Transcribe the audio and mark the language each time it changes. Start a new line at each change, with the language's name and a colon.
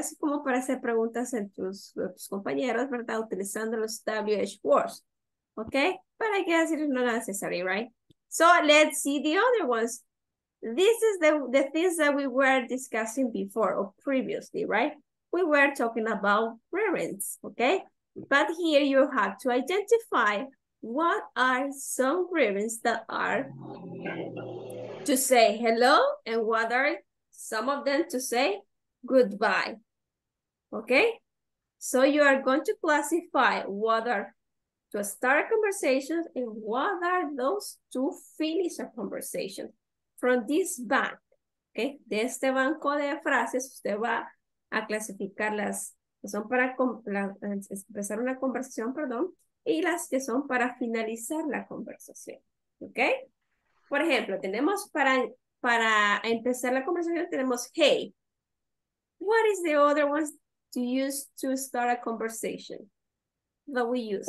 Spanish: Es como para hacer preguntas en tus compañeros, ¿verdad? Utilizando los WH words.
English: Okay, but I guess it is not necessary, right? So let's see the other ones. This is the things that we were discussing before or previously, right? We were talking about parents, okay? But here you have to identify what are some parents that are to say hello and what are some of them to say goodbye, okay? So you are going to classify what are to start a conversation and what are those to finish a conversation. From this bank, okay?
Spanish: De este banco de frases, usted va a clasificar las que son para empezar una conversación, perdón, y las que son para finalizar la conversación, okay? Por ejemplo, tenemos para empezar la conversación, tenemos,
English: hey, what is the other ones to use to start a conversation that we use?